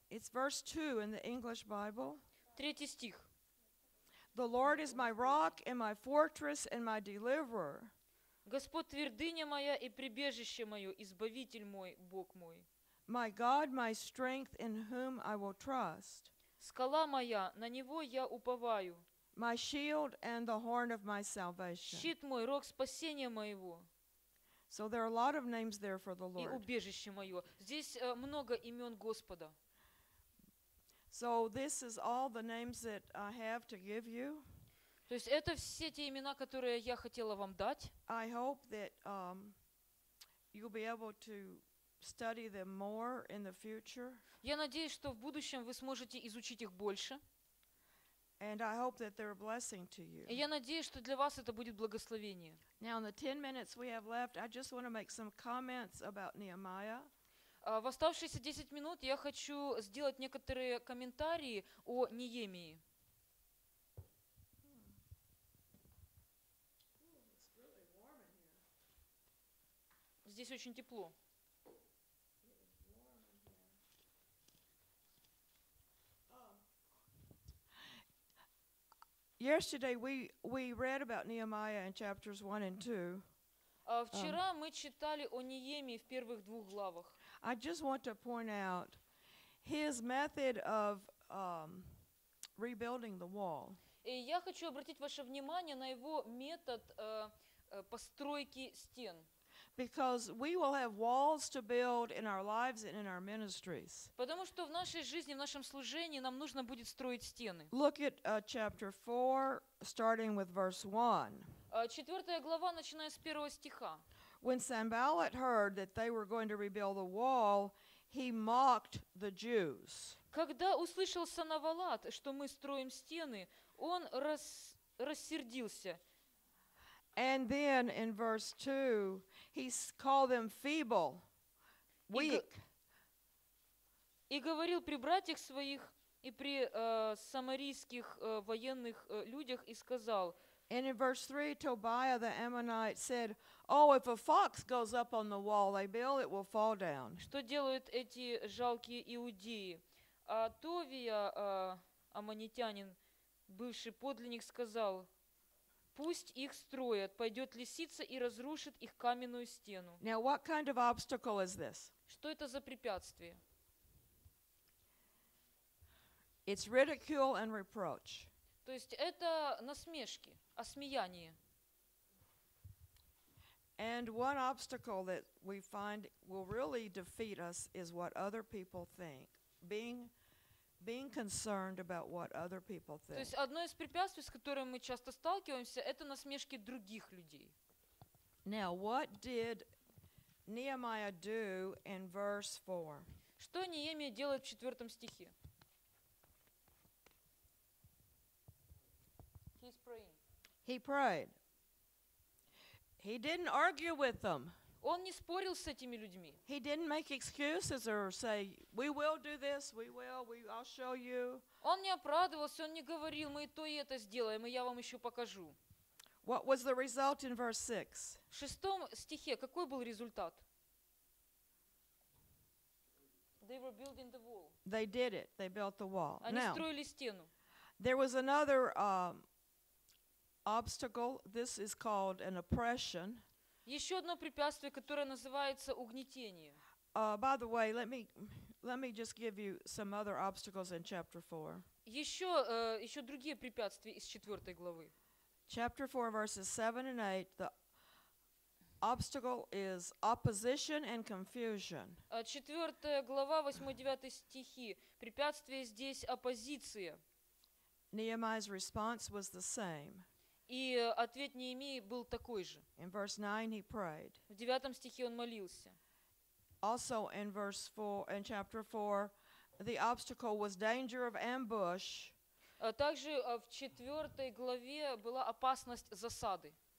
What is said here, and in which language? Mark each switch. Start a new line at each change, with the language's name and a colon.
English: It's verse 2 in the English Bible.
Russian: Третий стих.
English: The Lord is my rock and my fortress and my deliverer.
Russian: Господь твердыня моя и прибежище мое, избавитель мой, Бог мой.
English: My God, my strength, in whom I will trust.
Russian: Скала моя, на него я уповаю.
English: My shield and the horn of my salvation.
Russian: Щит мой, рог спасения моего.
English: So there are a lot of names there for the Lord.
Russian: И убежище мое. Здесь много имен Господа.
English: So this is all the names that I have to give you.
Russian: То есть это все те имена, которые я хотела вам дать.
English: I hope that you'll be able to study them more in the future.
Russian: Я надеюсь, что в будущем вы сможете изучить их больше.
English: And I hope that they're a blessing to you.
Russian: И я надеюсь, что для вас это будет благословение.
English: Now in the 10 minutes we have left, I just want to make some comments about Nehemiah.
Russian: В оставшиеся 10 минут я хочу сделать некоторые комментарии о Неемии. Здесь очень тепло.
English: Yesterday we read about Nehemiah in chapters 1 and 2.
Russian: Вчера мы читали о Неемии в первых двух главах.
English: I just want to point out his method of rebuilding the wall.
Russian: И я хочу обратить ваше внимание на его метод постройки стен.
English: Because we will have walls to build in our lives and in our ministries.
Russian: Потому что в нашей жизни, в нашем служении нам нужно будет строить стены.
English: Look at chapter 4, starting with verse 1.
Russian: Четвертая глава, начиная с первого стиха.
English: When Sanballat heard that they were going to rebuild the wall, he mocked the Jews.
Russian: Когда услышал Санавалат, что мы строим стены, он рассердился.
English: And then in verse 2, he called them feeble, weak.
Russian: И говорил при братьях своих и при самарийских военных людях и сказал.
English: And in verse 3, Tobiah the Ammonite said, "Oh, if a fox goes up on the wall they build, it will fall down."
Russian: Что делают эти жалкие иудеи? А Товия, аммонитянин, бывший подлинник, сказал: пусть их строят, пойдет лисица и разрушит их каменную стену.
English: Now, what kind of obstacle is this?
Russian: Что это за препятствие?
English: It's ridicule and reproach.
Russian: То есть это насмешки, осмеяние.
English: And one obstacle that we find will really defeat us is what other people think. Being concerned about what other people think.
Russian: То есть одно из препятствий, с которым мы часто сталкиваемся, это насмешки других людей.
English: Now, what did Nehemiah do in verse 4?
Russian: Что Неемия делает в четвертом стихе?
English: He's praying. He prayed. He didn't argue with them.
Russian: Он не спорил с этими людьми.
English: He didn't make excuses or say, "We will do this, I'll show you."
Russian: Он не оправдывался, он не говорил, мы то и это сделаем, и я вам еще покажу.
English: What was the result in verse 6?
Russian: В шестом стихе какой был результат?
English: They were building the wall. They did it. They built the wall.
Russian: Они строили стену.
English: There was another obstacle. This is called an oppression.
Russian: Еще одно препятствие, которое называется угнетение.
English: By the way, let me just give you some other obstacles in chapter 4.
Russian: Еще другие препятствия из четвертой главы.
English: Chapter 4, verses 7 and 8, the obstacle is opposition and confusion.
Russian: Четвертая глава, 8-9 стихи. Препятствие здесь оппозиция.
English: Nehemiah's response was the same.
Russian: И ответ Неемии был такой же.
English: In verse 9 he prayed.
Russian: В девятом стихе он молился.
English: Also in verse 4, in chapter 4, the obstacle was danger of ambush.
Russian: Также в четвертой главе была опасность засады.